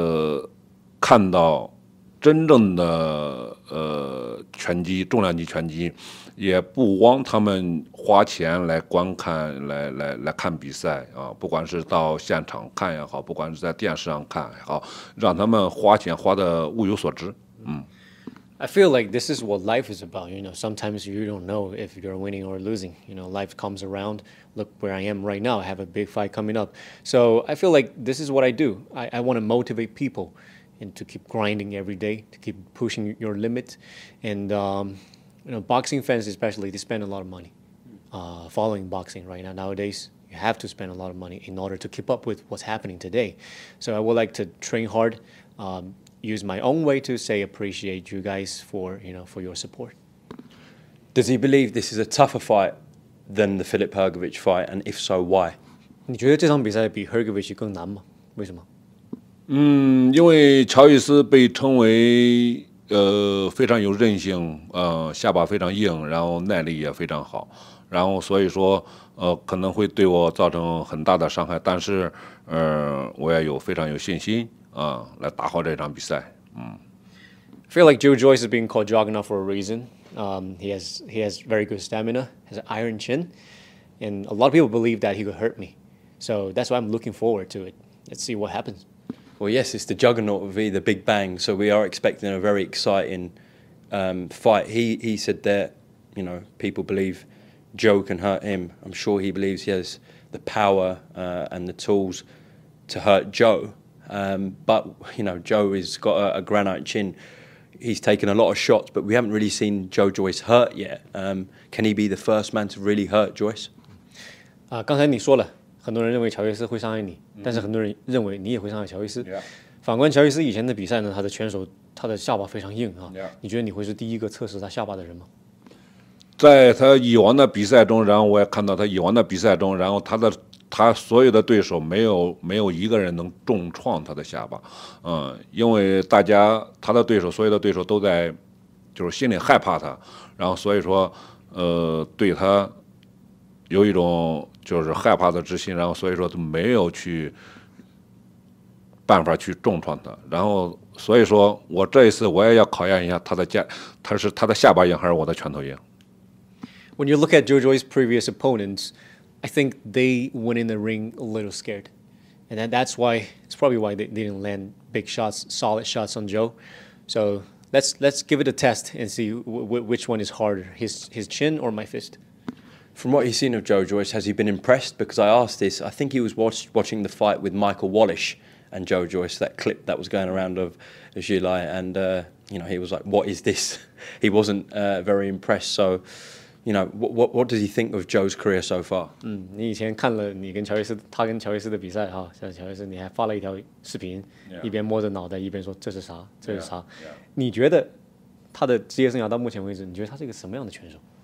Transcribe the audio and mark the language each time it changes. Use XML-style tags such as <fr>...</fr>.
<zh>我感觉人生好像就是这样，因为从你比赛中，你全迷，大家看到你的实力在那，然后大家就会对你一种认可，而不是比赛中怎么样。所以说，我们其实我感觉每天我努力的去训练，就是为了在比赛场上有一个好的表现，让全迷看到。真正的拳击重量级拳击，也不光他们花钱来观看比赛啊，不管是到现场看也好，不管是在电视上看也好，让他们花钱花的物有所值。</zh> <en>I feel like this is what life is about. You know, sometimes you don't know if you're winning or losing. You know, life comes around. Look where I am right now. I have a big fight coming up. So I feel like this is what I do. I want to motivate people. And to keep grinding every day, to keep pushing your limit, and you know, boxing fans especially, they spend a lot of money following boxing right now. Nowadays, you have to spend a lot of money in order to keep up with what's happening today. So I would like to train hard, use my own way to say appreciate you guys for for your support. Does he believe this is a tougher fight than the Filip Hergovic fight, and if so, why?</en> <zh>你觉得这场比赛比 Hergovic 更难吗？为什么？因为乔伊斯被称为非常有韧性，下巴非常硬，然后耐力也非常好，然后所以说可能会对我造成很大的伤害，但是我也有非常有信心啊来打好这场比赛。</zh> <en>I feel like Joe Joyce has been called Juggernaut for a reason. He has very good stamina, has an iron chin, and a lot of people believe that he could hurt me. So that's why I'm looking forward to it. Let's see what happens. Well, yes, it's the Juggernaut v. the Big Bang, so we are expecting a very exciting fight. He said that, you know, people believe Joe can hurt him. I'm sure he believes he has the power and the tools to hurt Joe. But, you know, Joe has got a granite chin. He's taken a lot of shots, but we haven't really seen Joe Joyce hurt yet. Can he be the first man to really hurt Joyce?</en> <zh>刚才你说了，很多人认为乔伊斯会伤害你，但是很多人认为你也会伤害乔伊斯。 Yeah. 反观乔伊斯以前的比赛呢，他的拳手，他的下巴非常硬啊。 Yeah. 你觉得你会是第一个测试他下巴的人吗？在他以往的比赛中，然后我也看到他以往的比赛中，然后他所有的对手没有一个人能重创他的下巴，因为大家他的对手所有的对手都在就是心里害怕他，然后所以说对他有一种就是害怕的之心，然后所以说就没有去办法去重创他，然后所以说我这一次我也要考验一下他是他的下巴硬还是我的拳头硬。</zh> <en>When you look at Joe Joyce's previous opponents, I think they went in the ring a little scared. And that's why, it's probably why they didn't land big shots, solid shots on Joe. So let's give it a test and see which one is harder, his chin or my fist. From what you've seen of Joe Joyce, has he been impressed? Because I asked this, I think he was watching the fight with Michael Wallish and Joe Joyce, that clip that was going around of Zhilei. And, you know, he was like, what is this? He wasn't very impressed, so... You know, what does he think of Joe's career so far?</en> <zh>你以前看了你跟乔伊斯，他跟乔伊斯的比赛哈，像乔伊斯，你还发了一条视频， yeah. 一边摸着脑袋，一边说这是啥，这是啥。 Yeah. Yeah. 你觉得他的职业生涯到目前为止，你觉得他是一个什么样的拳手？</zh>